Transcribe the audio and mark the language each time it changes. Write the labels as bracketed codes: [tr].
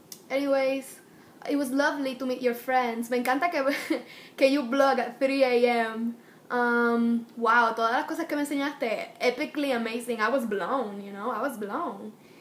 [en] Anyways, it was lovely to meet your friends. [es] Me encanta que [en] you blog at 3 a.m. [es] Wow, todas las cosas que me enseñaste, [en] epically amazing. I was blown, you know? I was blown.